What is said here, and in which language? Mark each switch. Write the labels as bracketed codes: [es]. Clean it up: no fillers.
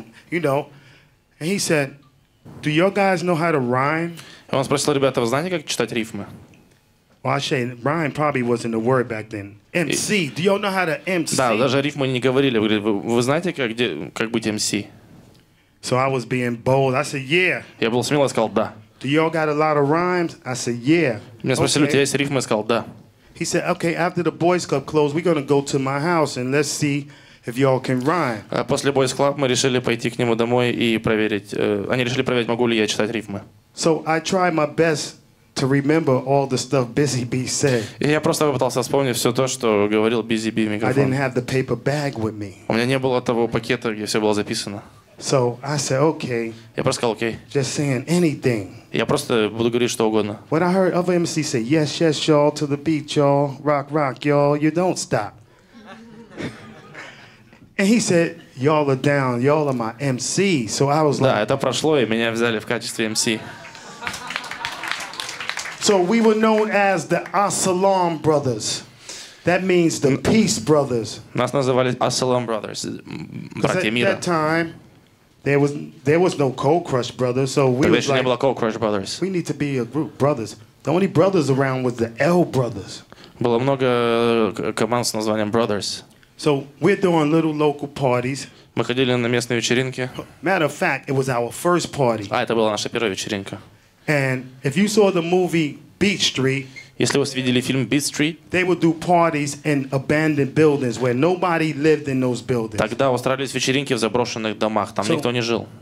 [en] You know, and he said, "Do your guys know how to rhyme?" [ru] Он спросил ребята, вы знаете, как читать рифмы? [en] Well, I say rhyme probably wasn't a word back then. MC, do y'all know how to MC? [ru] Да, даже рифмы не говорили. Вы знаете, как быть MC? [en] So I was being bold. I said, yeah. [ru] Я был смелый, сказал да. [en] Do y'all got a lot of rhymes? I said, yeah. [ru] Меня спросили, у тебя есть рифмы? Я сказал да. [en] He said, okay, after the boys club closed, we're gonna go to my house and let's see if y'all can rhyme. [ru] После boys club мы решили пойти к нему домой и проверить. Они решили проверить, могу ли я читать рифмы. [en] So I tried my best to remember all the stuff Busy B said. [ru] Я просто попытался вспомнить все то, что говорил Busy B в микрофон. [en] I didn't have the paper bag with me. [ru] У меня не было того пакета, где все было записано. [en] So I said, okay. [ru] Я просто сказал, окей. [en] Just saying anything. [ru] Я просто буду говорить что угодно. [en] When I heard other MC say, yes, yes, y'all, to the beat, y'all, rock, rock, y'all, you don't stop. And he said, y'all are down, y'all are my MC. So I was like, [ru] да, это прошло, и меня взяли в качестве MC. [en] So we were known as the As Salaam Brothers. That means the Peace Brothers. [ru] Нас называли As Salaam Brothers. Братья мира. [en] At that time, there was no Cold Crush Brothers, so we were like, Cold Crush Brothers. We need to be a group, brothers. The only brothers around was the L Brothers. [ru] Было много команд с названием Brothers. [en] So we're doing little local parties. [ru] Мы ходили на местные вечеринки. [en] Matter of fact, it was our first party. [ru] А это была наша первая вечеринка. [en] And if you saw the movie Beach Street, [ru] если вы видели фильм Beach Street, [en] they would do parties in abandoned buildings where nobody lived in those buildings. [ru] Тогда устраивались вечеринки в заброшенных домах, там никто не жил.